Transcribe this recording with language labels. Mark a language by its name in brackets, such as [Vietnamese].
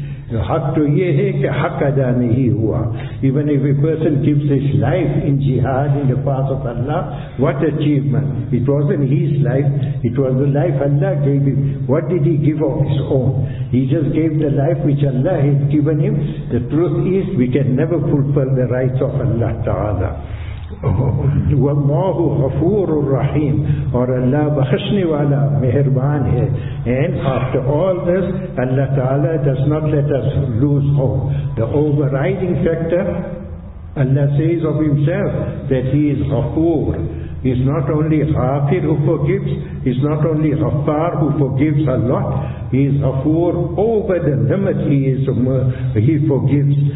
[Urdu] Haq to ye hai ke haq ada nahi hua. [English] Even if a person gives his life in jihad in the path of Allah, what achievement? It wasn't his life, it was the life Allah gave him. What did he give of his own? He just gave the life which Allah had given him. The truth is, we can never fulfill the rights of Allah Ta'ala. [Arabic] وَاللَّهُ غَفُورُ الرَّحِيمُ. [Urdu] اور اللہ بخشنے والا مہربان ہے. [English] And after all this, Allah Ta'ala does not let us lose hope. The overriding factor, Allah says of himself that he is غفور. He's not only غافر who forgives, he's not only غفار who forgives a lot, he is غفور over the limit he forgives.